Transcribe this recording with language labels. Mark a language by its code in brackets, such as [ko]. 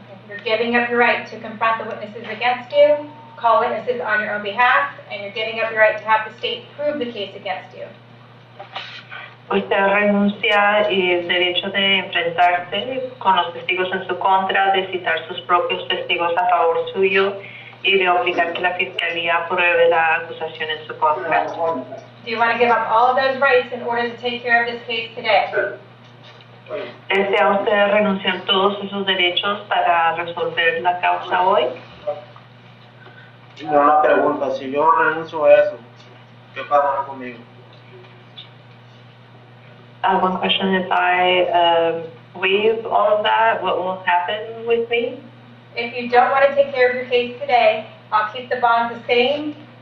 [en] You're giving up your right to confront the witnesses against you, call witnesses on your own behalf, and you're giving up your right to have the state prove the case against you. [es] Usted renuncia y el derecho de enfrentarse con los testigos en su contra, de citar sus propios testigos a favor suyo y de obligar que la fiscalía pruebe la acusación en su contra. [en] Do you want to give up all of those rights in order to take care of this case today? [es] ¿Desea usted renunciar todos esos derechos para resolver la causa hoy? Tengo una pregunta. Si yo renuncio a eso, ¿qué pasa conmigo? [en] One question. If I waive all of that, what will happen with me? If you don't want to take care of your case today, I'll keep the bond the same.